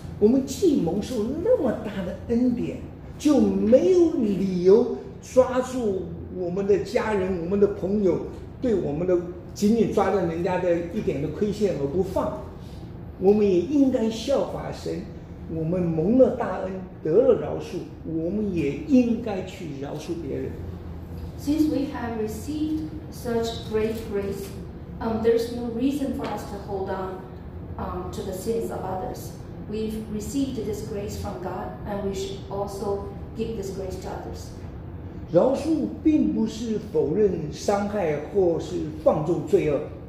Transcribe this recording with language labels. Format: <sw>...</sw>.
<zh>我们既蒙受那么大的恩典，就没有理由抓住我们的家人、我们的朋友，对我们的紧紧抓着人家的一点的亏欠而不放。我们也应该效法神，我们蒙了大恩，得了饶恕，我们也应该去饶恕别人。</zh> <en>Since we have received such great grace, there's no reason for us to hold on, to the sins of others. We've received this grace from God, and we should also give this grace to others.</en> <zh>饶恕并不是否认伤害或是放纵罪恶。</zh>